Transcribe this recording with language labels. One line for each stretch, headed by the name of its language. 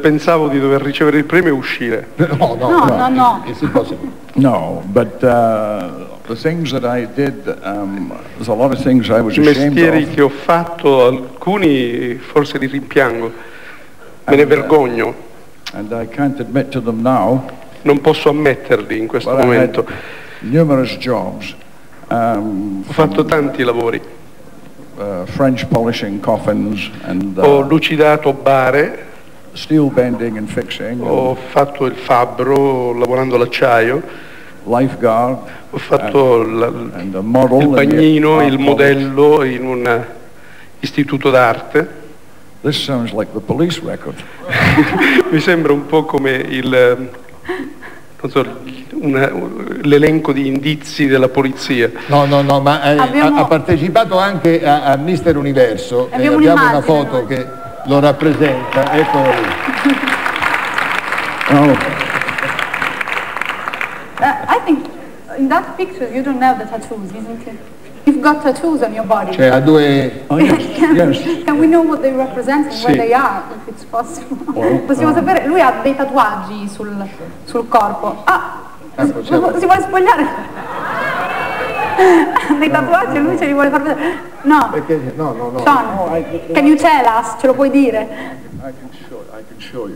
Italian: Pensavo di dover ricevere il premio e uscire. No.
English: It's impossible. No, but the things that I did, there's a lot of things I was ashamed of.
Italian: I mestieri che ho fatto, alcuni forse li rimpiango. Me ne vergogno.
English: And I can't admit to them now.
Italian: Non posso ammetterli in questo momento.
English: Numerous jobs.
Italian: Ho fatto tanti lavori.
English: French polishing coffins and
Italian: ho lucidato bare.
English: Steel bending and fixing.
Italian: Ho fatto il fabbro lavorando l'acciaio.
English: Lifeguard.
Italian: Ho fatto
English: model,
Italian: il bagnino, il modello in un istituto d'arte.
English: This sounds like the police record.
Italian: Mi sembra un po' come il non so, l'elenco di indizi della polizia. No, ma ha partecipato anche a Mister Universo. Abbiamo una foto che lo rappresenta. Eccolo lì. Oh.
English: I think in that picture you don't have the tattoos, isn't it? You've got tattoos on your body.
Italian: Cioè, ha due...
English: Oh, yes. Yes. Can we know what they represent and where they are, if it's possible? Well,
Italian: possiamo sapere? Lui ha dei tatuaggi sul corpo. Ah! Si vuole spogliare? Dei tatuaggi lui ce li vuole far vedere. No. Perché, no.
English: Sean, can you tell us?
Italian: Ce lo puoi dire?
English: I can show you.